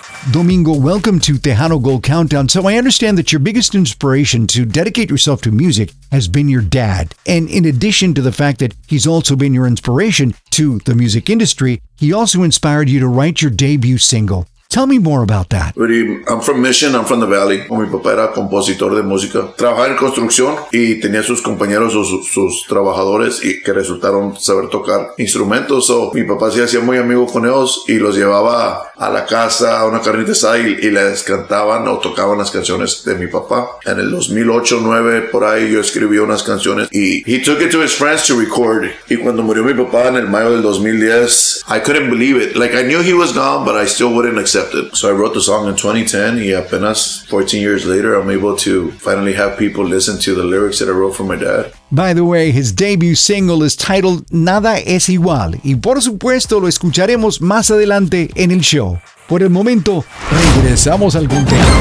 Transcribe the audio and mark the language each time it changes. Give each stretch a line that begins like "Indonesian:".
English: Domingo, welcome to Tejano Gold Countdown. So I understand that your biggest inspiration to dedicate yourself to music has been your dad. And in addition to the fact that he's also been your inspiration to the music industry, he also inspired you to write your debut single. Tell me more about that. I'm from Mission. I'm from the Valley.
Spanish: Mi papá era compositor de música. Trabajaba en construcción y tenía sus compañeros o sus trabajadores y que resultaron saber tocar instrumentos. So, mi papá se hacía muy amigo con ellos y los llevaba a la casa, a una carnita asada y les cantaban o tocaban las canciones de mi papá. En el 2008-09, por ahí, yo escribí unas canciones y
English: he took it to his friends to record.
Spanish: Y cuando murió mi papá en el mayo del 2010,
English: I couldn't believe it. Like, I knew he was gone, but I still wouldn't accepted. So I wrote the song in 2010
Spanish: y apenas
English: 14 years later I'm able to finally have people listen to the lyrics that I wrote for my dad. By the way, his debut single is titled
Spanish: Nada Es Igual y por supuesto lo escucharemos más adelante en el show. Por el momento, regresamos al conteo.